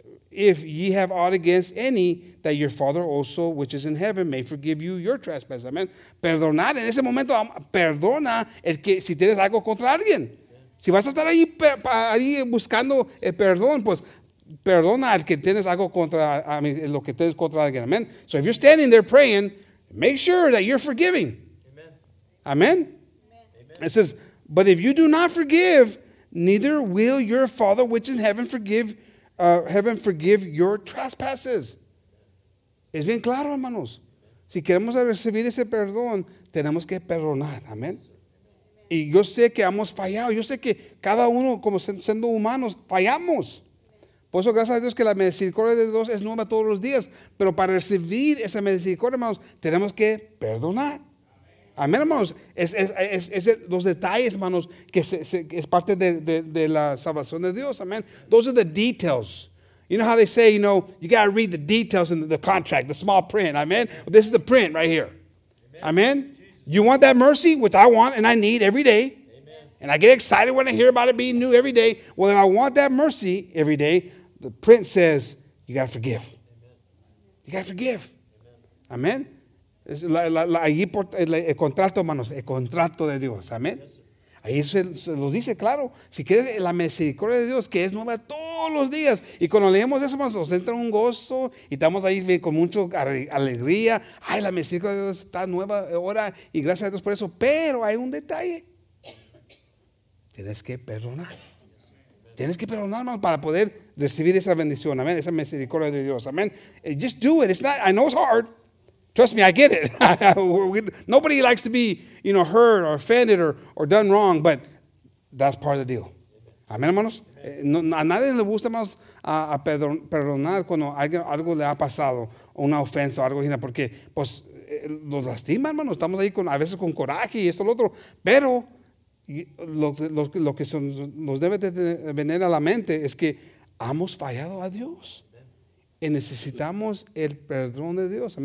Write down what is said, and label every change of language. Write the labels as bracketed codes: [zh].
[en] If ye have aught against any, that your Father also, which is in heaven, may forgive you your trespass. [es] Amén. Perdonar. En ese momento, perdona el que si tienes algo contra alguien. Si vas a estar ahí buscando el perdón, pues perdona al que tienes algo contra, lo que tienes contra alguien. Amén. [en] So if you're standing there praying, make sure that you're forgiving. Amen. Amen. Amen. It says, but if you do not forgive, neither will your Father which is in heaven forgive your trespasses. [es] Es bien claro, hermanos. Si queremos recibir ese perdón, tenemos que perdonar. Amen. Y yo sé que hemos fallado. Yo sé que cada uno, como siendo humanos, fallamos. Por eso, gracias a Dios que la misericordia de Dios es nueva todos los días. Pero para recibir esa misericordia, hermanos, tenemos que perdonar. Amén, hermanos. Es los detalles, hermanos, que es parte de la salvación de Dios. [en] Amén. Those are the details. You know how they say, you know, you got to read the details in the contract, the small print. Amén. This is the print right here. Amén. You want that mercy, which I want and I need every day. And I get excited when I hear about it being new every day. Well, if I want that mercy every day, the print says, you got to forgive. Amen. You got to forgive. Amen. [es] Ahí el contrato, hermanos, el contrato de Dios. Amen. Ahí se los dice, claro. Si quieres la misericordia de Dios, que es nueva todos los días. Y cuando leemos eso, hermanos, nos entra un gozo. Y estamos ahí con mucha alegría. Ay, la misericordia de Dios está nueva ahora. Y gracias a Dios por eso. Pero hay un detalle. Tienes que perdonar. Tienes que perdonar, hermano, para poder recibir esa bendición. [en] Amén. [es] Esa misericordia de Dios. [en] Amén. Just do it. It's not, I know it's hard. Trust me, I get it. Nobody likes to be, you know, hurt or offended or done wrong, but that's part of the deal. [es] Amén, hermanos. A nadie le gusta, hermanos, a perdonar cuando algo le ha pasado, una ofensa o algo, porque, pues, nos lastima, hermanos. Estamos ahí con, a veces con coraje y esto y lo otro, pero. Lo que nos debe de venir a la mente es que hemos fallado a Dios y necesitamos el perdón de Dios.